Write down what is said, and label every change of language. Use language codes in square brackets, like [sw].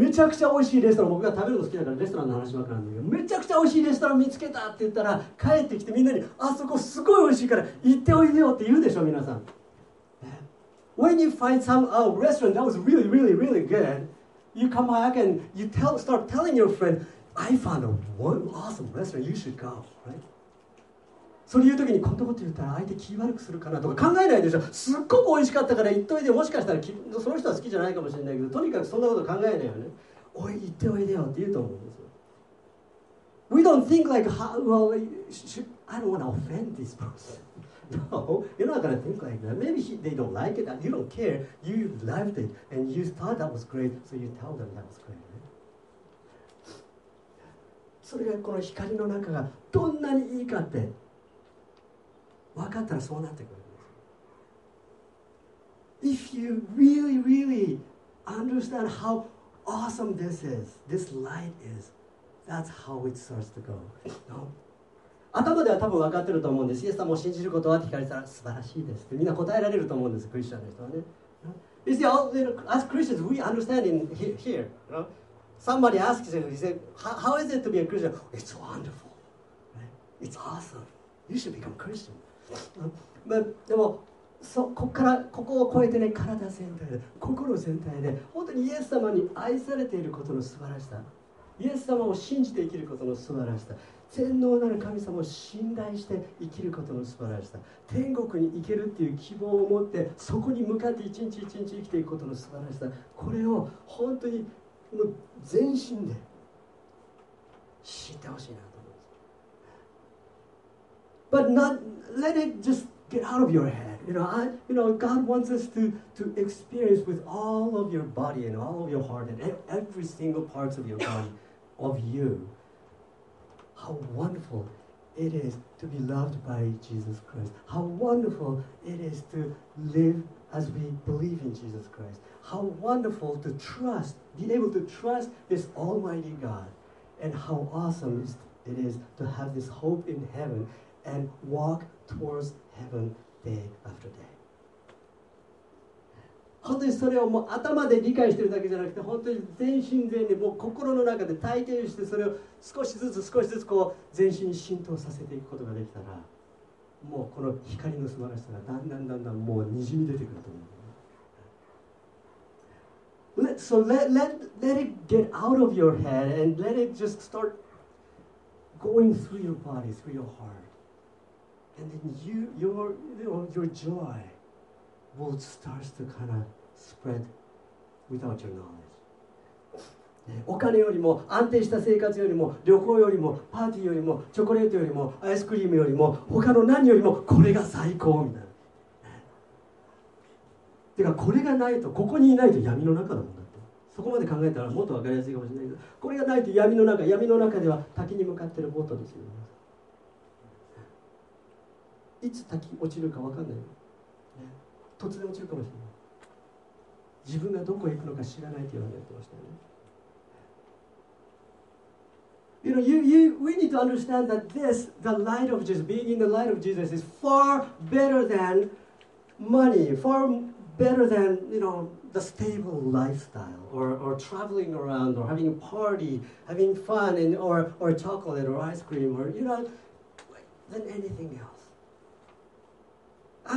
[ja] めちゃくちゃ美味しいレストラン、僕が食べるの好きだからレストランの話ばっかりなんだけど、めちゃくちゃ美味しいレストラン見つけたって言ったら、帰ってきてみんなに、あそこすごい美味しいから行っておいでよって言うでしょ、皆さん。 [en] When you find some restaurant that was really, really, really good, you come back and you start telling your friend, I found a one awesome restaurant, you should go, right? [ja] それ言うときにこんなこと言ったら相手気悪くするかなとか考えないでしょ。すっごく美味しかったから言っといて、もしかしたらその人は好きじゃないかもしれないけど、とにかくそんなこと考えないよね。おい、言っておいでよって言うと思うんですよ。 [en] We don't think like, well, I don't want to offend this person. No, you're not going to think like that. Maybe they don't like it, you don't care. You loved it and you thought that was great, so you tell them that was great. [ja] それがこの光の中がどんなにいいかって。分かったらそうなってくるんです。 [en] If you really, really understand how awesome this is, this light is, that's how it starts to go. No? [ja] 頭では多分分かってると思うんです。イエス様を信じることはって聞かれたら素晴らしいですってみんな答えられると思うんです。クリスチャンの人はね。 [en] You see, all, you know, as Christians, we understand in here. You know? Somebody asks you, he said, how is it to be a Christian? It's wonderful. Right? It's awesome. You should become Christian. But, [ja] でも、そこからここを越えてね、体全体で、心全体で、本当にイエス様に愛されていることの素晴らしさ、イエス様を信じて生きることの素晴らしさ、全能なる神様を信頼して生きることの素晴らしさ、天国に行けるっていう希望を持ってそこに向かって一日一日生きていくことの素晴らしさ、これを本当にもう全身で知ってほしいなと思うんです。 [en] But not let it just get out of your head. You know, God wants us to experience with all of your body and all of your heart and every single part of your body, of you. How wonderful it is to be loved by Jesus Christ. How wonderful it is to live as we believe in Jesus Christ. How wonderful to trust, be able to trust this Almighty God. And how awesome it is to have this hope in heaven and walk towards heaven day after day. [ja] 本当にそれをもう頭で理解してるだけじゃなくて、本当に全身全霊、もう心の中で体験して、それを少しずつ少しずつこう全身に浸透させていくことができたら、もうこの光の素晴らしさがだんだんだんだんもうにじみ出てくると思う。 [en] let it get out of your head and let it just start going through your body, through your heart. And then your joy will start to kind of spread without your knowledge. [ja] お金よりも安定した生活よりも旅行よりもパーティーよりもチョコレートよりもアイスクリームよりも他の何よりもこれが最高みたいな。てかこれがないと、ここにいないと闇の中だもんだって。そこまで考えたらもっと分かりやすいかもしれないけど、これがないと闇の中、闇の中では滝に向かってるボートですよね。いつ滝落ちるか分かんない、ね、突然落ちるかもしれない。自分がどこへ行くのか知らないって言われてましたよね。 [en] You know, we need to understand that this, the light of Jesus, being in the light of Jesus, is far better than money, far better than, you know, the stable lifestyle, or traveling around, or having a party, having fun, and, or chocolate, or ice cream, or, you know, than anything else.